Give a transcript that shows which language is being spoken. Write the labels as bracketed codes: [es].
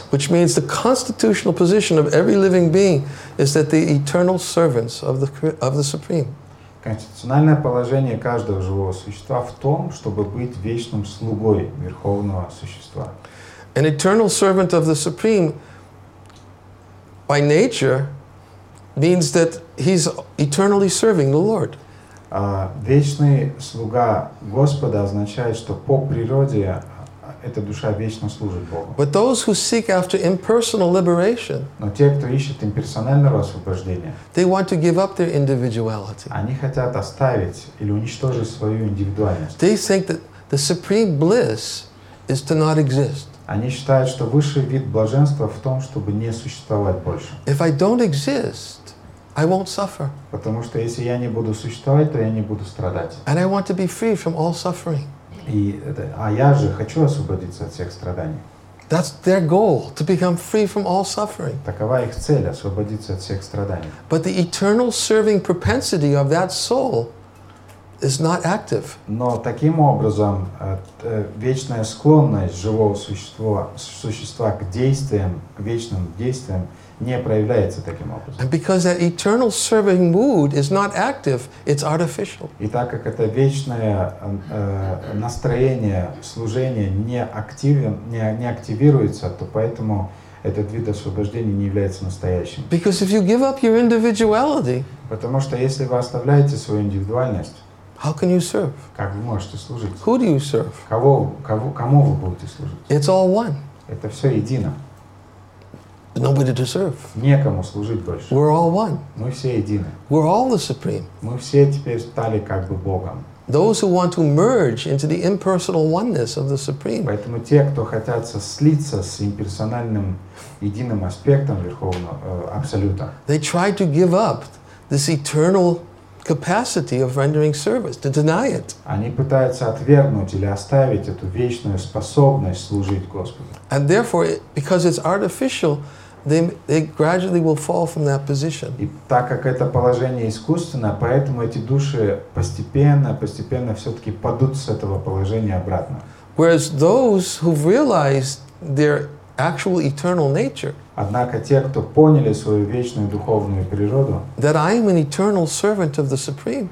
[en] Which means the constitutional position of every living being is that they eternal servants of the Supreme. [ru] Конституциональное положение каждого живого существа в том, чтобы быть вечным слугой верховного существа. [en] An eternal servant of the Supreme by nature means that he's eternally serving the Lord. [ru] Вечный слуга Господа означает, что по природе эта душа вечно служит Богу. [en] But those who seek after impersonal liberation, [ru] но те, кто ищет имперсонального освобождения, [en] they want to give up their individuality. [ru] Они хотят оставить или уничтожить свою индивидуальность. [en] They think that the supreme bliss is to not exist. [ru] Они считают, что высший вид блаженства в том, чтобы не существовать больше. [en] If I don't exist, I won't suffer. [ru] Потому что если я не буду существовать, то я не буду страдать. [en] And I want to be free from all suffering. [ru] А я же хочу освободиться от всех страданий. [en] That's their goal, to become free from all suffering. [ru] Такова их цель, освободиться от всех страданий. [en] But the eternal serving propensity of that soul is not active. [ru] Но таким образом, вечная склонность живого существа к действиям, к вечным действиям, не проявляется таким образом. [en] And because that eternal serving mood is not active, it's artificial. [ru] И так как это вечное настроение служения не активируется, то поэтому этот вид освобождения не является настоящим. [en] Because if you give up your individuality, [ru] потому что если вы оставляете свою индивидуальность, [en] how can you serve? [ru] Как вы можете служить? [en] Who do you serve? [ru] Кому вы будете служить? [en] It's all one. [ru] Это все едино. [en] Nobody to serve. [ru] Некому служить больше. [en] We're all one. [ru] Мы все едины. [en] We're all the supreme. [ru] Мы все теперь стали как бы Богом. [en] Those who want to merge into the impersonal oneness of the supreme. [ru] Поэтому те, кто хотят слиться с имперсональным единым аспектом верховного абсолюта. [en] They try to give up this eternal capacity of rendering service, to deny it. [ru] Они пытаются отвергнуть или оставить эту вечную способность служить Господу. [en] And therefore, because it's artificial, they gradually will fall from that position. [ru] И так как это положение искусственно, поэтому эти души постепенно все-таки падут с этого положения обратно. [en] Whereas those who realize their actual eternal nature. [ru] Однако те, кто поняли свою вечную духовную природу, [en] that I am an eternal servant of the supreme,